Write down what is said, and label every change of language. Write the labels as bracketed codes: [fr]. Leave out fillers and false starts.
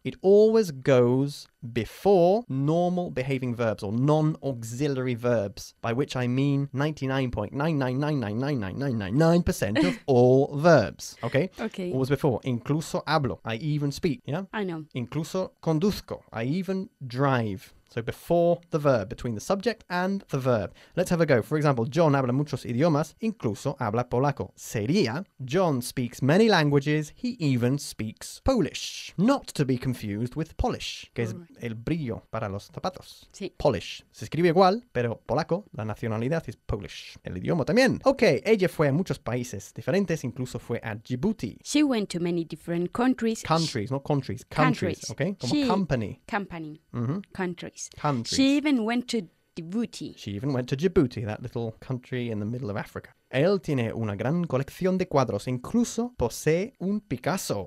[en] It always goes before normal behaving verbs or non-auxiliary verbs, by which I mean 99.99999999% of all verbs. Okay? Okay. Always before. [es] Incluso hablo. [en] I even speak. Yeah? I know. [es] Incluso conduzco. [en] I even drive. So before the verb, between the subject and the verb. Let's have a go. For example, [es] John habla muchos idiomas, incluso habla polaco. Sería, [en] John speaks many languages, he even speaks Polish. Not to be confused with Polish, [es] que es el brillo para los zapatos. Sí. [en] Polish. [es] Se escribe igual, pero polaco, la nacionalidad es Polish. El idioma también. Okay, ella fue a muchos países diferentes, incluso fue a Djibouti. [en] She went to many different countries. Countries, she... not countries. Countries. Okay, como she... company. Company. Mm-hmm. Country. Countries. She even went to Djibouti. She even went to Djibouti, that little country in the middle of Africa. [es] Él tiene una gran colección de cuadros, incluso posee un Picasso.